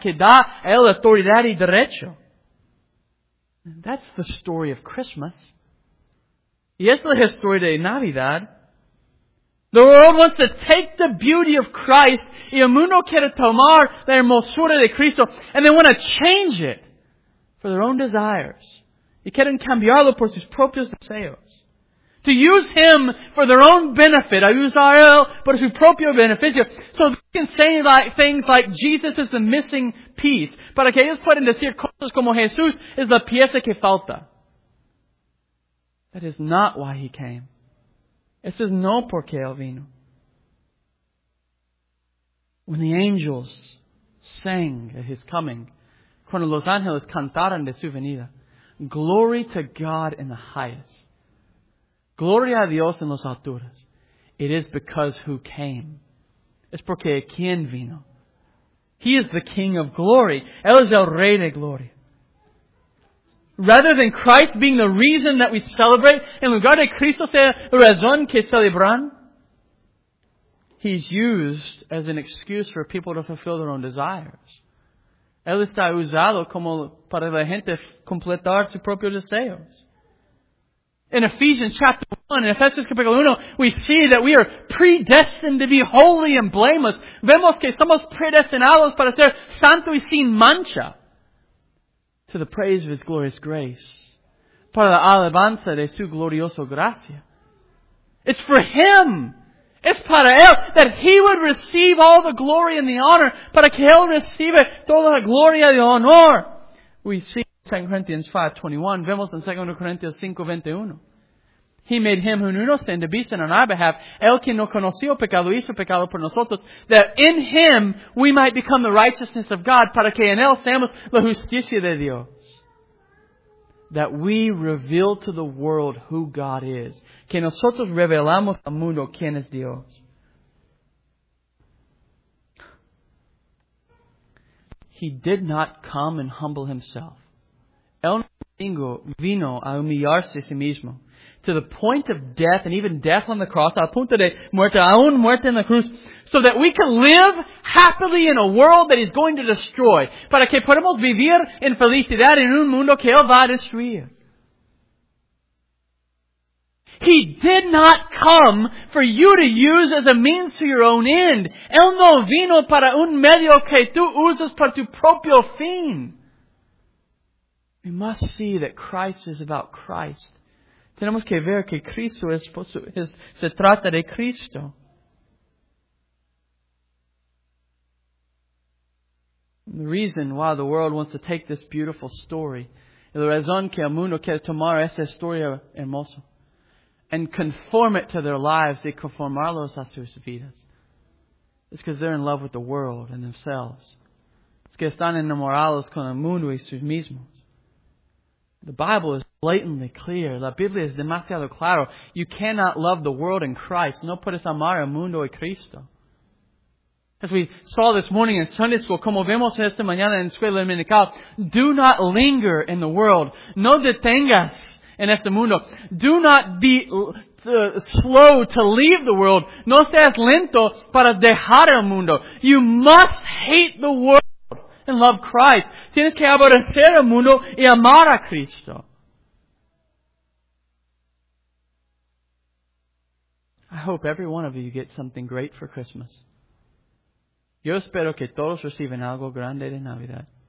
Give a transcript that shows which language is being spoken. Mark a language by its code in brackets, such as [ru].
[es] Que da a él autoridad y derecho. [en] That's the story of Christmas. [es] Y es la historia de Navidad. [en] The world wants to take the beauty of Christ [es] y el mundo quiere tomar la hermosura de Cristo [en] and they want to change it for their own desires. [es] y quieren cambiarlo por sus propios deseos. [en] To use him for their own benefit, [es] a usar él por su propio beneficio. [en] So they can say like things like Jesus is the missing piece, [es] para que ellos puedan decir cosas como Jesús es la pieza que falta. [en] That is not why he came. [es] Eso es no por qué él vino. [en] When the angels sang at his coming, [es] cuando los ángeles cantaron de su venida, [en] glory to God in the highest. [es] Gloria a Dios en las alturas. [en] It is because who came. [es] Es porque quien vino. [en] He is the King of glory. [es] Él es el Rey de gloria. [en] Rather than Christ being the reason that we celebrate, [es] en lugar de Cristo ser la razón que celebran, [en] he's used as an excuse for people to fulfill their own desires. [es] Él está usado como para la gente completar sus propios deseos. [en] In Ephesians chapter 1, in Ephesians capítulo 1, we see that we are predestined to be holy and blameless. [es] Vemos que somos predestinados para ser santo y sin mancha. [en] To the praise of His glorious grace. [es] Para la alabanza de su glorioso gracia. [en] It's for Him. It's [es] para Él. [en] That He would receive all the glory and the honor. [es] Para que Él reciba toda la gloria y honor. [en] We see in 2 Corinthians 5:21. [es] Vemos en [en] 2 Corinthians 5:21. He made Him who knew no sin to be sin on our behalf. [es] El que no conoció pecado hizo pecado por nosotros. [en] That in Him we might become the righteousness of God. [es] Para que en Él seamos la justicia de Dios. [en] That we reveal to the world who God is. [es] Que nosotros revelamos al mundo quién es Dios. [en] He did not come and humble Himself. [es] El no vino a humillarse a sí mismo. [en] To the point of death and even death on the cross, [es] al punto de muerte, aún muerte en la cruz, [en] so that we can live happily in a world that He's going to destroy. [es] Para que podamos vivir en felicidad en un mundo que Él va a destruir. [en] He did not come for you to use as a means to your own end. [es] Él no vino para un medio que tú usas para tu propio fin. [en] We must see that Christ is about Christ. [es] Tenemos que ver que Cristo se trata de Cristo. [en] And the reason why the world wants to take this beautiful story, [es] y la razón que el mundo quiere tomar esa historia hermosa, [en] and conform it to their lives [es] y conformarlos a sus vidas, [en] it's because they're in love with the world and themselves. [es] Es que están enamorados con el mundo y sus mismos. [en] The Bible is blatantly clear. [es] La Biblia es demasiado claro. [en] You cannot love the world and Christ. [es] No puedes amar el mundo y Cristo. [en] As we saw this morning in Sunday school, [es] como vemos esta mañana en escuela dominical, [en] do not linger in the world. [es] No detengas en este mundo. [en] Do not be slow to leave the world. [es] No seas lento para dejar el mundo. [en] You must hate the world. And love Christ. [es] Tienes que aborrecer el mundo y amar a Cristo. [en] I hope every one of you get something great for Christmas. [es] Yo espero que todos reciban algo grande de Navidad.